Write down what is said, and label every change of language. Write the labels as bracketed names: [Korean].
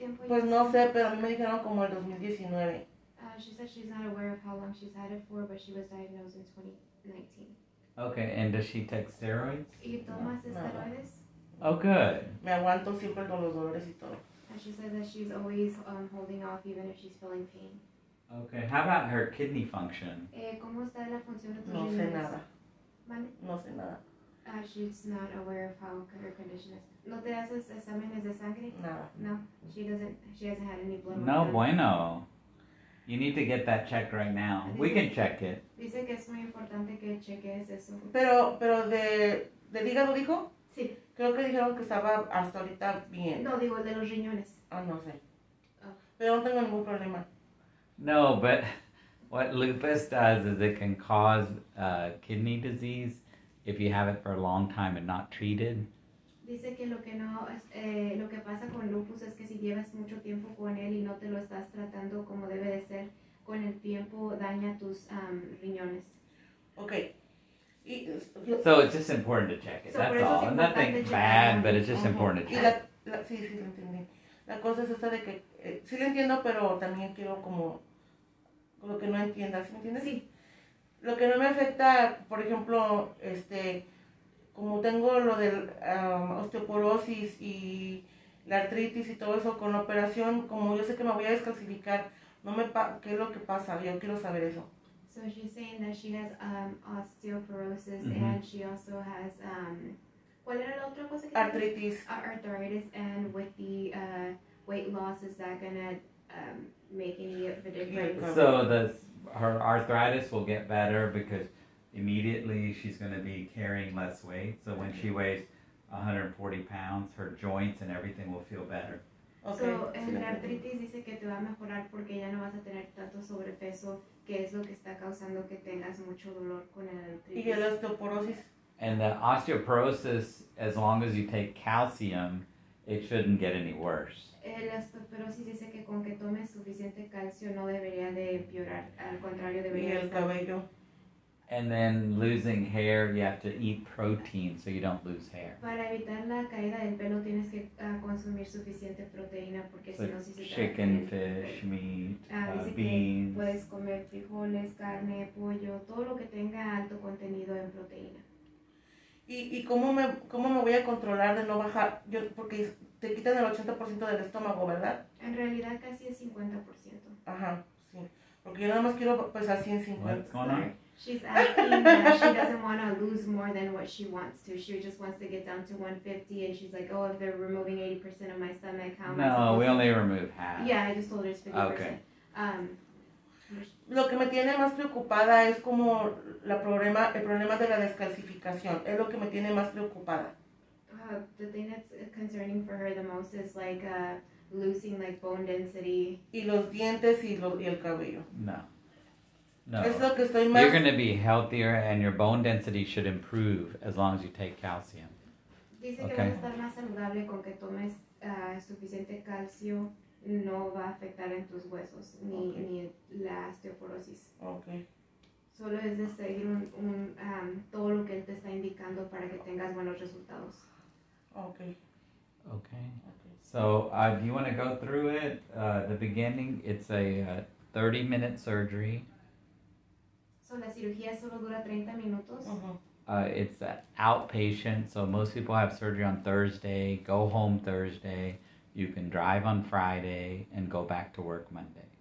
[Spanish] Pues no sé, pero a mí me dijeron como el 2019. [English] She said she's not aware of how long she's had it for, but she was diagnosed in 2019. Okay, and does she take steroids? [Spanish] ¿Y tomas esteroides? [English] Oh, good. [Spanish] Me aguanto siempre con los dolores y todo. [English] And she said that she's always holding off even if she's feeling pain. Okay, how about her kidney function? [Spanish] ¿Cómo está la función de tus riñones? No sé nada. ¿Vale? No sé nada. [English] She's not aware of how good her condition is. [Spanish] ¿No te haces exámenes de sangre? Nada. [English] No, she hasn't had any blood. [Spanish] No bueno. [English] You need to get that checked right now. [Spanish] Dice, [English] we can check it. [Spanish] Dice que es muy importante que cheques eso. Pero de hígado dijo? Sí. Creo que dijeron que estaba hasta ahorita bien. No, digo el de los riñones. Ah, no sé. Pero no tengo ningún problema. [English] No, but what lupus does is it can cause kidney disease if you have it for a long time and not treated. Dice que lo que pasa con lupus es que si llevas mucho tiempo con él y no te lo estás tratando como debe de ser, con el tiempo daña tus riñones. Okay. So it's just important to check it. So that's all. Nothing bad, but it's just important to check. [Spanish] Sí, lo entendí. La cosa es esta de que sí lo entiendo, pero también quiero como lo que no entiendas, ¿sí me entiendes? Sí. Lo que no me afecta, por ejemplo, como tengo lo del osteoporosis y la artritis y todo eso, con la operación, como yo sé que me voy a descalcificar, ¿qué es lo que pasa? Yo quiero saber eso. [English] So she's saying that she has osteoporosis, mm-hmm. And she also has, [Spanish] ¿cuál era la otra cosa que artritis. [English] Arthritis, and with the weight loss, is that going to make any of a difference? So her arthritis will get better because immediately she's going to be carrying less weight. So when she weighs 140 pounds, her joints and everything will feel better. Okay. [Spanish] So la artritis dice que te va a mejorar porque ya no vas a tener tanto sobrepeso, que es lo que está causando que tengas mucho dolor con la artritis. ¿Y el osteoporosis? [English] And the osteoporosis, as long as you take calcium, it shouldn't get any worse. [Spanish] El osteoporosis dice que con que tomes suficiente calcio no debería de empeorar, al contrario debería. ¿Y el cabello? [English] And then losing hair, you have to eat protein so you don't lose hair. [Spanish] Para evitar la caída del pelo tienes que consumir suficiente proteína porque si no se te [English] chicken, fish, meat, beans. [Spanish] Puedes comer frijoles, carne, pollo, todo lo que tenga alto contenido en proteína. ¿Y cómo me voy a controlar de no bajar? Yo, porque te quitan el 80% del estómago, ¿verdad? En realidad casi es 50%. Ajá, sí. Porque yo nada más quiero pesar 150. [English] What's going on? She's asking that she doesn't want to lose more than what she wants to. She just wants to get down to 150, and she's like, oh, if they're removing 80% of my stomach, how much? No, we only remove half. Yeah, I just told her it's 50%. Okay. [Spanish] Lo que me tiene más preocupada es como el problema de la descalcificación. Es lo que me tiene más preocupada. [English] The thing that's concerning for her the most is like losing like bone density. [Spanish] Y los dientes y el cabello. No. No, es lo que estoy más... [English] You're going to be healthier and your bone density should improve as long as you take calcium. [Spanish] Dice okay. Que vas a estar más saludable con que tomes suficiente calcio, no va a afectar en tus huesos ni la osteoporosis. [English] Okay. [Spanish] Solo es de seguir un todo lo que él te está indicando para que tengas buenos resultados. [English] Okay. So, do you want to go through it? The beginning, it's a 30-minute surgery. [Spanish] So la cirugía solo dura 30 minutos. Uh-huh. [English] It's outpatient, so most people have surgery on Thursday, go home Thursday, you can drive on Friday, and go back to work Monday.